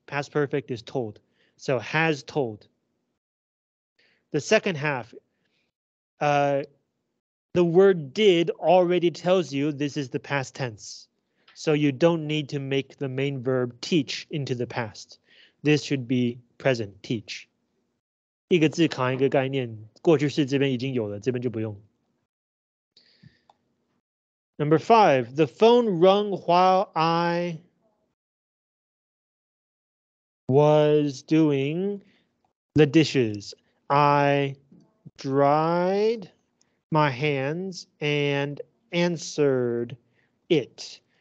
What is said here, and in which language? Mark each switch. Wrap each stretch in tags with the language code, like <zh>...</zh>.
<en>Past perfect is told. So has told. The second half, the word did already tells you this is the past tense. So you don't need to make the main verb teach into the past. This should be present, teach.</en> <zh>一个字扛一个概念, 过去式这边已经有了,这边就不用。</zh> <en>Number five, the phone rung while I was doing the dishes. I dried my hands and answered it.</en>